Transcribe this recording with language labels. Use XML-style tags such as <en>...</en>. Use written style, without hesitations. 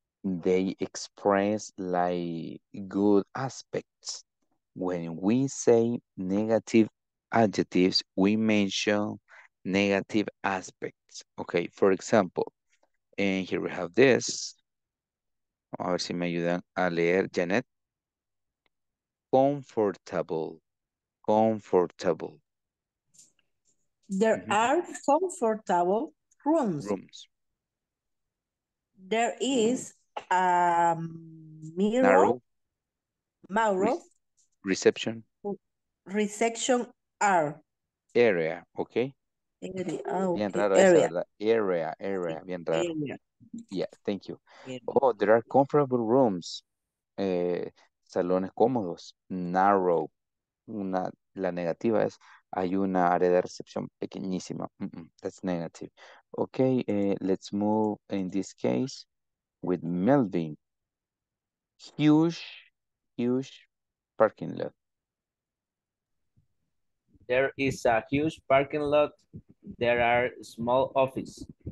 <en>They express like good aspects. When we say negative adjectives, we mention negative aspects. Okay, for example, and here we have this.</en> <es>A ver si me ayudan a leer, Janet.</es> <en>Comfortable, comfortable. There are comfortable rooms. There is a mirror. Mauro. Reception. Reception are. Area, okay.</en> <es>Bien raro esa, area, area, bien raro.</es> <en>Yeah, thank you. Oh, there are comfortable rooms.</en> <es>Salones cómodos.</es> <en>Narrow.</en> <es>La negativa es, hay una área de recepción pequeñísima.</es> <en>Mm-mm, that's negative. Okay, let's move in this case with Melvin. Huge, huge parking lot. There is a huge parking lot. There are small offices.</en>